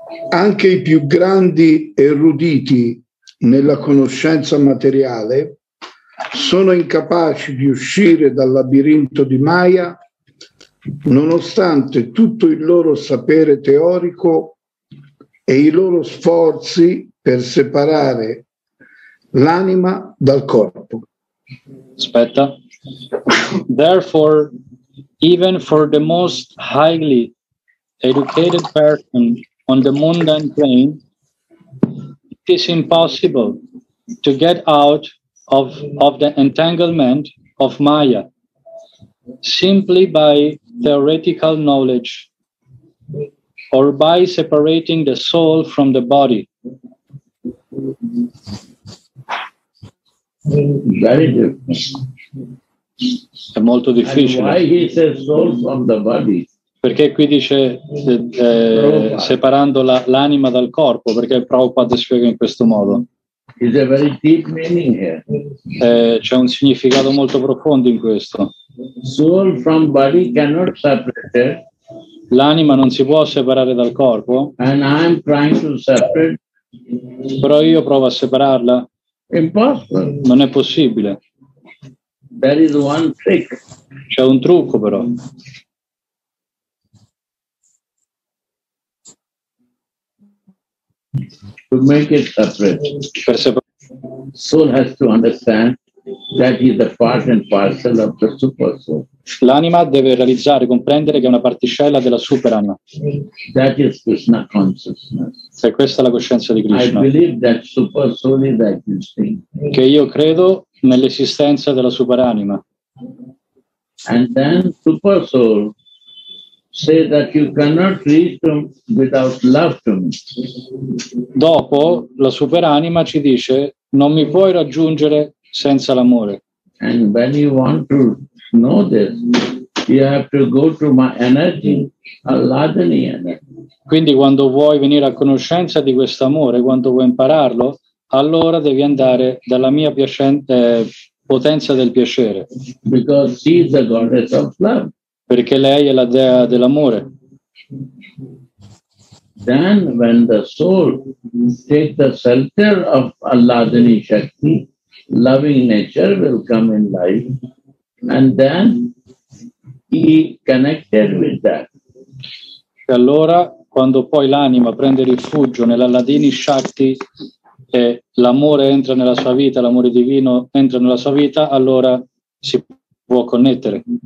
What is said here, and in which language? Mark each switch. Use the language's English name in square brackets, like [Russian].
[Italian] Anche i più grandi eruditi nella conoscenza materiale sono incapaci di uscire dal labirinto di Maya, nonostante tutto il loro sapere teorico e i loro sforzi per separare l'anima dal corpo. Aspetta. [English] Therefore, even for the most highly educated person on the mundane plane, it is impossible to get out of the entanglement of Maya simply by theoretical knowledge or by separating the soul from the body. Very difficult. [Italian] È molto difficile. [English] And why he says soul from the body? [Italian] Perché qui dice separando l'anima dal corpo, perché Prabhupada spiega in questo modo. [English] Is a very deep meaning here. [Italian] C'è un significato molto profondo in questo. [English] Soul from body cannot separate. [Italian] L'anima non si può separare dal corpo. [English] And I'm trying to separate. [Italian] Però io provo a separarla. [English] Impossible. [Italian] Non è possibile. [English] There is one trick. [Italian] C'è un trucco però. [English] To make it separate. [Italian] Per [English] soul has to understand that is the part and parcel of the super soul. [Italian] L'anima deve realizzare, comprendere che è una particella della superanima. [English] That is Krishna consciousness. [Italian] E questa è la coscienza di Krishna. [English] I believe that super soul is existing. [Italian] Che io credo nell'esistenza della superanima. [English] And then super soul say that you cannot reach them without love to me. [Italian] Dopo la superanima ci dice non mi puoi raggiungere senza l'amore. [English] And when you want to know this, you have to go to my energy, Aladhani energy. [Italian] Quindi quando vuoi venire a conoscenza di questo amore, quando vuoi impararlo, allora devi andare dalla mia potenza del piacere. [English] Because she is the goddess of love. [Italian] Perché lei è la dea dell'amore. [English] then when the soul takes the shelter of Alladhini Shakti, loving nature will come in life, and then he connected with that. [Italian] E allora, quando poi l'anima prende rifugio nell'Alladhini Shakti e l'amore entra nella sua vita, l'amore divino entra nella sua vita, allora si può connettere.